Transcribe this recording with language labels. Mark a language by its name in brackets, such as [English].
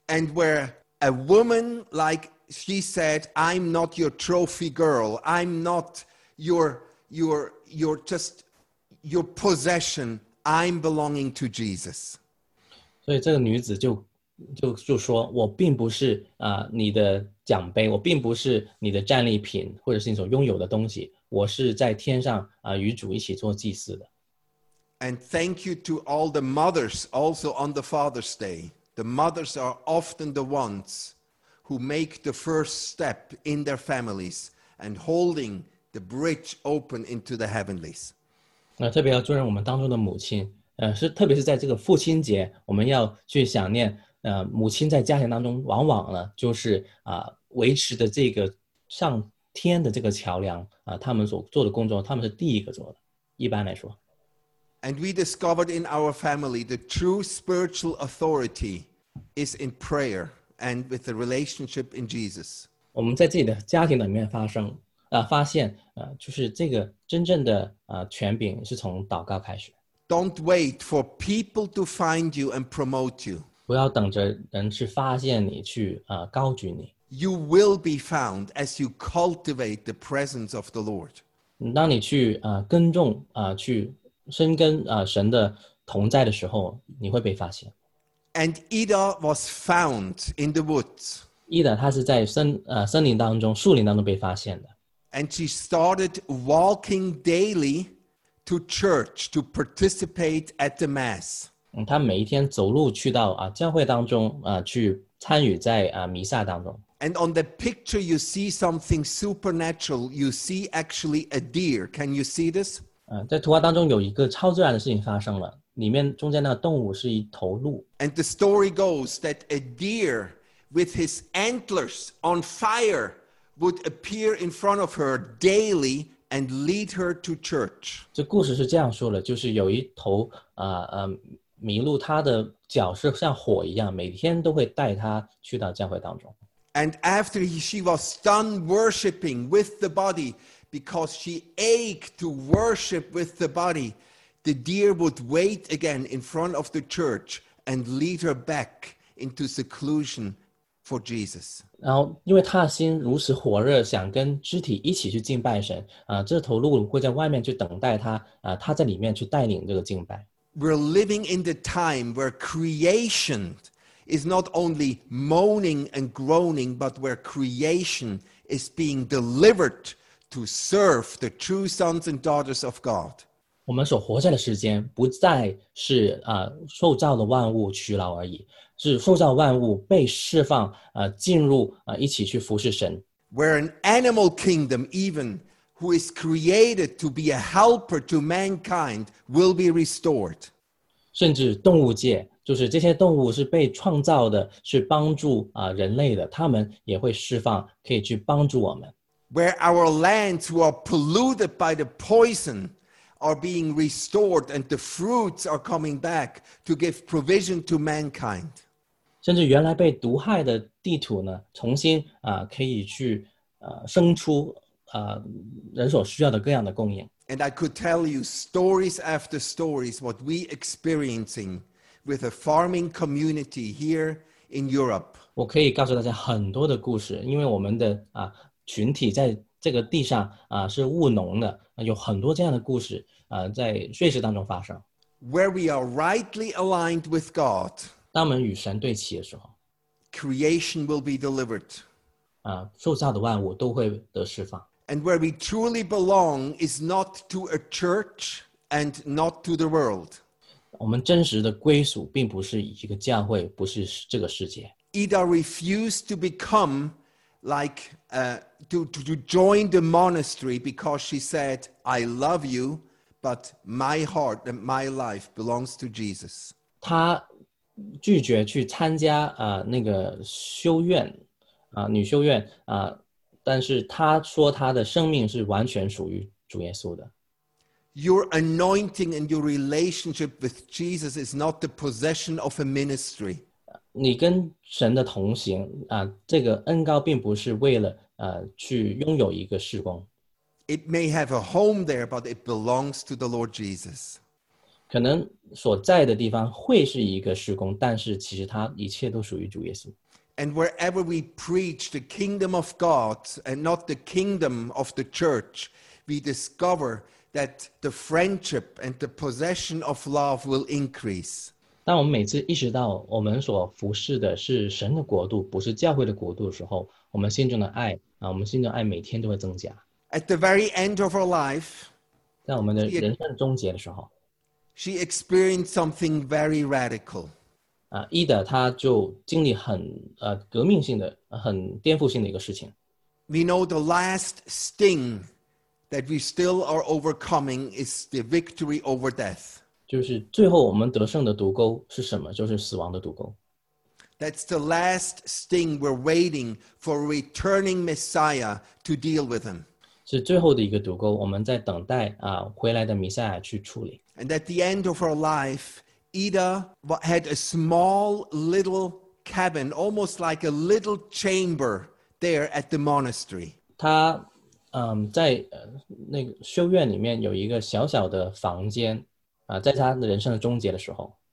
[English] And where a woman like she said, I'm not your trophy girl, I'm not your possession, I'm belonging to Jesus. [Chinese] 所以这个女子就就说我并不是你的奖杯，我并不是你的战利品，或者是你所拥有的东西，我是在天上与主一起做祭祀的。 [English] And thank you to all the mothers also on the Father's Day. The mothers are often the ones who make the first step in their families and holding the bridge open into the heavenlies. [Chinese] 特别要尊重我们当中的母亲，是特别是在这个父亲节，我们要去想念母亲在家庭当中往往呢就是维持的这个上天的这个桥梁他们所做的工作他们是第一个做的一般来说。 [English] And we discovered in our family the true spiritual authority is in prayer and with the relationship in Jesus. [Chinese] 我们在自己的家庭里面发现就是这个真正的权柄是从祷告开始。 [English] Don't wait for people to find you and promote you. [Chinese] 不要等着人去发现你去高举你。 [English] You will be found as you cultivate the presence of the Lord. [Chinese] 当你去耕种去生根神的同在的时候你会被发现。 [English] And Ida was found in the woods. [Chinese] Ida 她是在森林当中树林当中被发现的。 [English] And she started walking daily to church to participate at the mass. [Chinese] 她每一天走路去到教会当中去参与在弥撒当中。 [English] And on the picture you see something supernatural, you see actually a deer. Can you see this? [Chinese] 在图画当中有一个超自然的事情发生了。里面中间那个动物是一头鹿。 [English] And the story goes that a deer with his antlers on fire would appear in front of her daily and lead her to church. [Chinese] 这故事是这样说的，就是有一头麋鹿，它的脚是像火一样，每天都会带她去到教会当中。 [English] And after she was done worshiping with the body, because she ached to worship with the body,the deer would wait again in front of the church and lead her back into seclusion for Jesus. [Chinese] 然后因为他的心如此火热想跟肢体一起去敬拜神这头鹿会在外面去等待他他在里面去带领这个敬拜。 [English] We're living in the time where creation is not only moaning and groaning, but where creation is being delivered to serve the true sons and daughters of God. [Chinese] 我们所活在的时间不再是受造的万物屈劳而已，是受造万物被释放进入一起去服侍神。 [English] Where an animal kingdom even who is created to be a helper to mankind will be restored. [Chinese] 甚至动物界，就是这些动物是被创造的，是帮助人类的，他们也会释放，可以去帮助我们。 [English] Where our lands who are polluted by the poison. Are being restored and the fruits are coming back to give provision to mankind. [Chinese] 甚至原来被毒害的地土呢重新可以去生出人所需要的各样的供应。 [English] And I could tell you stories after stories what we experiencing with a farming community here in Europe. [Chinese] 我可以告诉大家很多的故事因为我们的群体在这个地上是务农的有很多这样的故事在瑞士当中发生。 [English] Where we are rightly aligned with God, [Chinese] 当我们与神对齐的时候 [English] creation will be delivered. [Chinese] 受造的万物都会得释放。 [English] And where we truly belong is not to a church and not to the world. [Chinese] 我们真实的归属并不是一个教会不是这个世界。 [English] Ida refused to become like to join the monastery because she said, I love you, but my heart and my life belongs to Jesus. [Chinese] 她拒绝去参加那个修院女修院但是她说她的生命是完全属于主耶稣的。 [English] Your anointing and your relationship with Jesus is not the possession of a ministry. [Chinese] 你跟神的同行这个恩膏并不是为了去拥有一个事工。 [English] It may have a home there, but it belongs to the Lord Jesus. [Chinese] 可能所在的地方会是一个事工，但是其实它一切都属于主耶稣。 [English] And wherever we preach the kingdom of God and not the kingdom of the church, we discover that the friendship and the possession of love will increase. [Chinese] 当我们每次意识到我们所服侍的是神的国度，不是教会的国度的时候，我们心中的爱啊，我们心中的爱每天都会增加。 [English] At the very end of her life, [Chinese] 在我们的人生终结的时候 [English] ，she experienced something very radical. [Chinese] 啊，伊德他就经历很革命性的、很颠覆性的一个事情。 [English] We know the last sting that we still are overcoming is the victory over death. [Chinese] 就是最后我们得胜的毒钩是什么？就是死亡的毒钩。 [English] That's the last sting we're waiting for returning Messiah to deal with him. [Chinese] 是最后的一个毒钩，我们在等待啊回来的弥赛亚去处理。 [English] And at the end of her life, Ida had a small little cabin, almost like a little chamber there at the monastery. [Chinese] 她在那个修院里面有一个小小的房间。在他的人生的终结的时候